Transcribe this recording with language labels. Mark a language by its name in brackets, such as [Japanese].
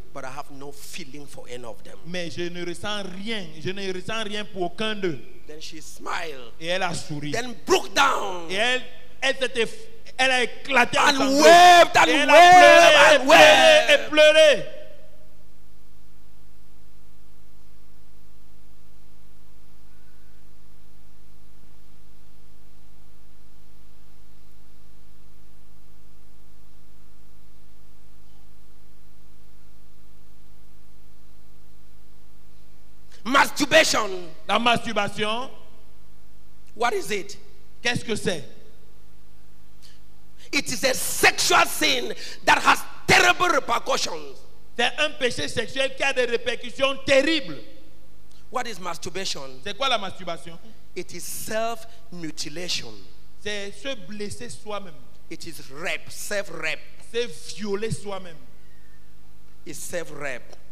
[English] but I have no feeling for any of them. [French] Mais je ne ressens rien pour aucun d'eux. [English] Then she smiled. [French] Et elle a souri. [English] Then broke down. [French] Et elle a éclaté [English] and [French] en sanglots. [English] Wept and [French] elle [English] wept and wept [French] et pleuré. [English] Masturbation. [French] La masturbation. [English] What is it? [French] Qu'est-ce que c'est? [English] It is a sexual sin that has terrible repercussions. [French] C'est un péché sexuel qui a des répercussions terribles. [English] What is masturbation? [French] C'est quoi la masturbation? [English] It is self-mutilation. [French] C'est se blesser soi-même. [English] It is rape, self-rape. [French] C'est violer soi-même. [English] It's self-rape.